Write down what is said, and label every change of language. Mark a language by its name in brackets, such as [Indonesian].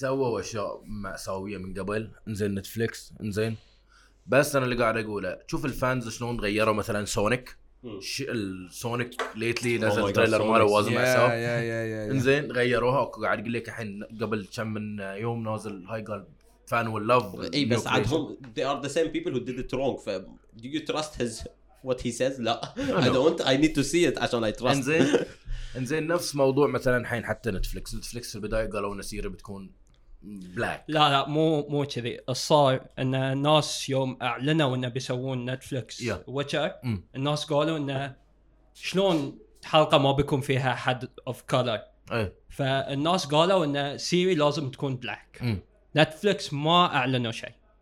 [Arabic] سووا اشياء مأساوية من قبل انزين نتفليكس انزين بس انا اللي قاعد اقوله شوف الفانز شلون غيروا مثلا سونيك السونيك ليتلي نزل تريلر ماله واز مأساوي انزين غيروها قاعد اقول لك الحين قبل كم من يوم نازل هاي قال فان واللوف اي بس عندهم [English] they are the same people who did it wrong do you trust his what he says لا I don't I need to see it عشان I trust [Arabic] انزين نفس موضوع مثلا الحين حتى نتفليكس البداية قالوا ان سيري بتكون بلاك لا مو كذي صار ان الناس يوم اعلنوا انه بيسوون نتفليكس ويتشر الناس قالوا انه شلون حلقة ما بيكون فيها حد [English] of color [Arabic] فالناس قالوا ان سيري لازم تكون بلاك نتفليكس ما اعلنوا شيء